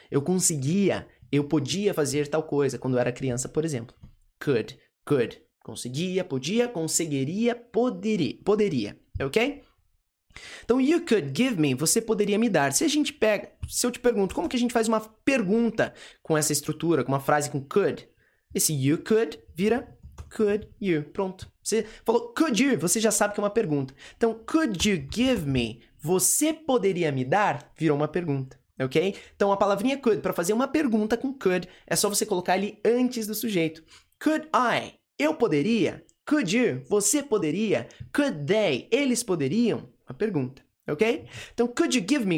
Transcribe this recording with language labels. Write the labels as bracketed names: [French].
[Portuguese] Eu conseguia, eu podia fazer tal coisa quando eu era criança, por exemplo. [English] Could, could. [Portuguese] Conseguia, podia, conseguiria, poderia, ok? Então, [English] you could give me, [Portuguese] você poderia me dar. Se a gente pega, se eu te pergunto, como que a gente faz uma pergunta com essa estrutura, com uma frase com could? Esse [English] you could [Portuguese] vira [English] could you, [Portuguese] pronto. Você falou [English] could you, [Portuguese] você já sabe que é uma pergunta. Então, [English] could you give me, [Portuguese] você poderia me dar, virou uma pergunta. Ok? Então, a palavrinha could, para fazer uma pergunta com could, é só você colocar ele antes do sujeito. [English] Could I? [Portuguese] Eu poderia? [English] Could you? [Portuguese] Você poderia? [English] Could they? [Portuguese] Eles poderiam? Uma pergunta. Ok? Então, [English] could you give me?